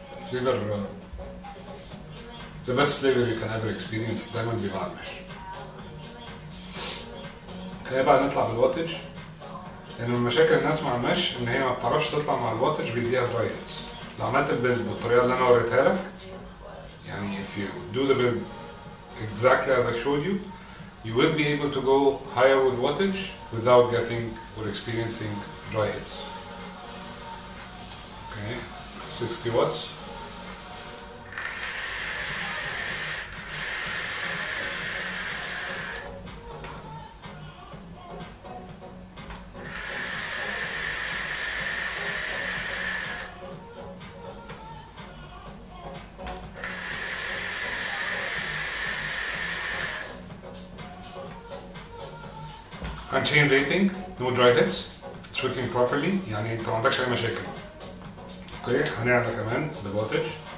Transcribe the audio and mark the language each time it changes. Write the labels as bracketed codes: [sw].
[en] flavour the best flavor you can ever experience [ar] دايما بيبقى على المش. هي بقى نطلع بالواتج، لان من مشاكل الناس مع المش ان هي ما بتعرفش تطلع مع الواتج بيديها فايلز. لو عملت البيلد بالطريقه اللي انا وريتها لك، [en] يعني if you do the build exactly as I showed you, you will be able to go higher with wattage without getting or experiencing dry hits. Okay, 60 watts. Chain vaping, no dry hits, it's working properly. [ar] يعني انت ما عندكش اي مشاكل. اوكي هنعلى كمان [en] the voltage.